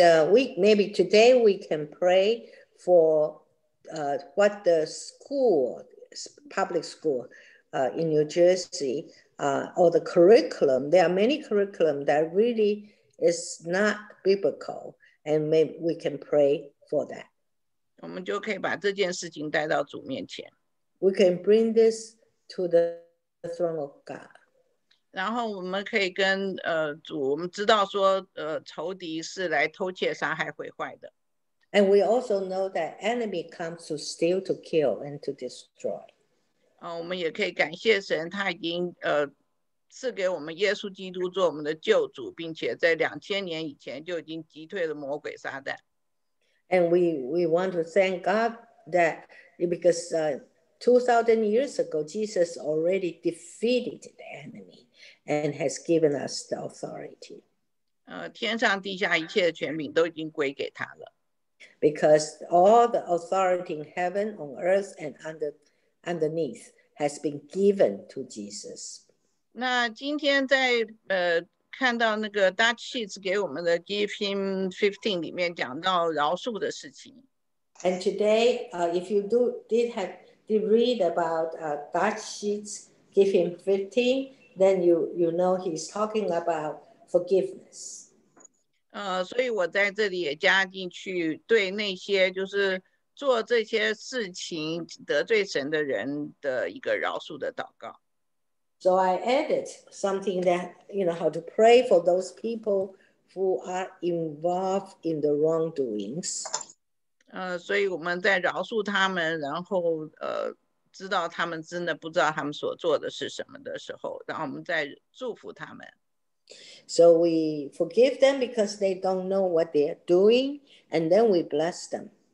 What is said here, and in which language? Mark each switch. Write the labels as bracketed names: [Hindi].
[English] We maybe today we can pray for what the school, public school in New Jersey, or the curriculum. There are many curriculum that really is not biblical, and maybe we can pray for that. [Chinese] 我们就可以把这件事情带到主面前。 [English] We can bring this to the throne of God. [Chinese] 然后我们可以跟主，我们知道说仇敌是来偷窃、杀害、毁坏的。 [English] And we also know that enemy comes to steal, to kill, and to destroy. [Chinese] 我们也可以感谢神，他已经赐给我们耶稣基督做我们的救主，并且在2000年以前就已经击退了魔鬼撒旦。 [English] And we want to thank God that because 2000 years ago, Jesus already defeated the enemy. And has given us the authority. [Chinese] 天上地下一切的权柄都已经归给他了。 [English] Because all the authority in heaven, on earth, and underneath has been given to Jesus. [Chinese] 那今天在看到那个 Dutch Sheets 给我们的 Give Him 15里面讲到饶恕的事情。 [English] And today, if you did read about Dutch Sheets Give Him 15. Then you know he's talking about forgiveness. [Chinese] 所以我在这里也加进去，对那些就是做这些事情得罪神的人的一个饶恕的祷告。 [English] So I added something that, you know, how to pray for those people who are involved in the wrongdoings. [Chinese] 所以我们在饶恕他们，然后知道他们真的不知道他们所做的是什么的时候，然后我们再祝福他们。 [English] So we forgive them because they don't know what they are doing, and then we bless them.